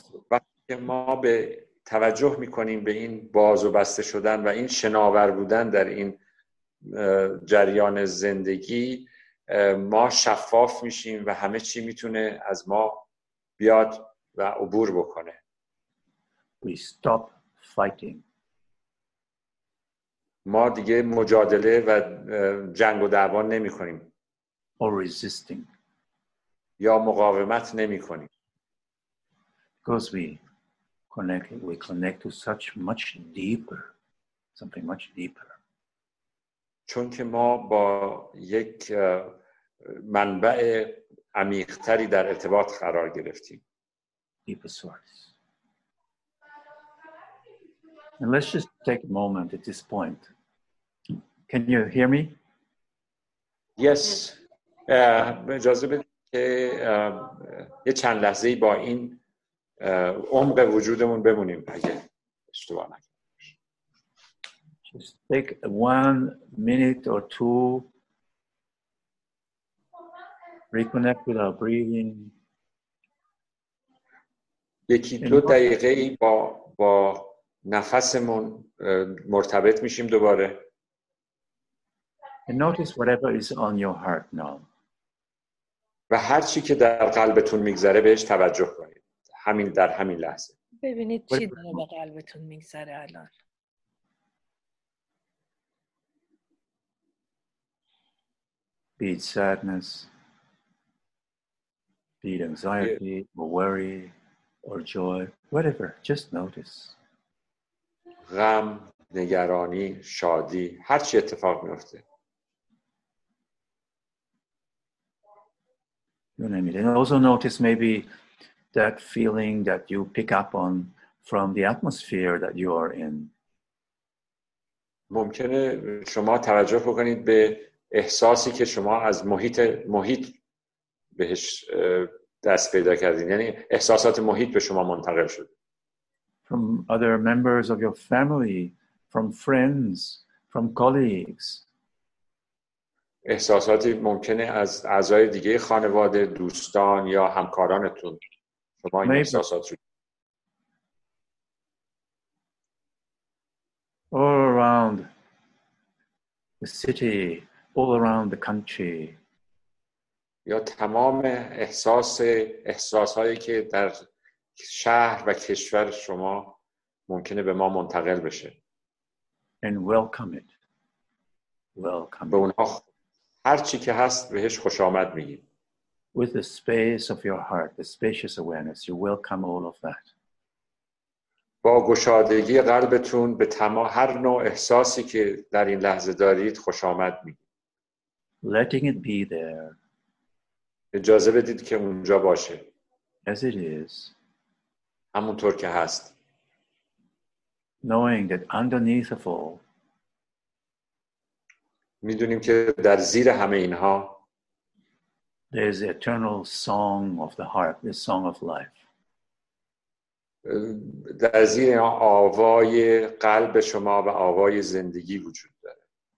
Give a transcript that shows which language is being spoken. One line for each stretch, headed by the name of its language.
Persian: وقتی ما به توجه میکنیم به این باز و بسته شدن و این شناور بودن در این جریان زندگی، ما شفاف میشیم و همه چی میتونه از ما بیاد و عبور بکنه.
English: We stop fighting.
Persian: ما دیگه مجادله و جنگ و دعوا نمی کنیم.
English: Or resisting.
Persian: یا مقاومت نمی کنیم.
English: Because we connect to such much deeper, something much deeper.
Persian: چون که ما با یک منبع عمیق‌تری در ارتباط قرار گرفتیم.
English: Deeper source. And let's just take a moment at this point. Can you hear me? Yes.
Persian: اجازه بدید که یه چند لحظه با این عمق وجودمون بمونیم اگه اشتباه نکنم.
English: Just take 1 minute or two. Reconnect with our breathing.
Persian: یکی دو دقیقه ای با نفسمون مرتبط میشیم دوباره.
English: And notice whatever is on your heart now.
Persian: و هر چی که در قلبتون میگذره بهش توجه کنید. همین در همین لحظه. ببینید چی داره به قلبتون میگذره الان.
English: Be it sadness, be it anxiety, or worry, or joy, whatever. Just notice.
Persian: غم، نگرانی، شادی، هر چی اتفاق میفته.
English: You know what I mean? And also notice maybe that feeling that you pick up on from the atmosphere that you are in.
Persian: ممکنه شما توجه بکنید به احساسی که شما از محیط بهش دست پیدا کردین، یعنی احساسات محیط به شما منتقل شد.
English: From other members of your family, from friends, from colleagues.
Persian: احساساتی ممکنه از اعضای دیگه خانواده، دوستان یا همکارانتون شما این احساسات رو.
English: All around the city, all around the country.
Persian: یا تمام احساسهایی که در شهر و کشور شما ممکنه به ما منتقل بشه.
English: And welcome it. Welcome.
Persian: به اونها هر چی که هست بهش خوش آمد میگیم.
English: With the space of your heart, the spacious awareness, you welcome all of that.
Persian: با گشادگی قلبتون به تمام هر نوع احساسی که در این لحظه دارید خوش آمد میگیم.
English: Letting it be there.
Persian: اجازه بدید که اونجا باشه.
English: As it is.
Persian: همونطور که هست.
English: Knowing that underneath of all.
Persian: میدونیم که در زیر همه اینها
English: there's the eternal song of the heart, the song of life.
Persian: در زیر اینها آوای قلب شما و آوای زندگی وجود داره.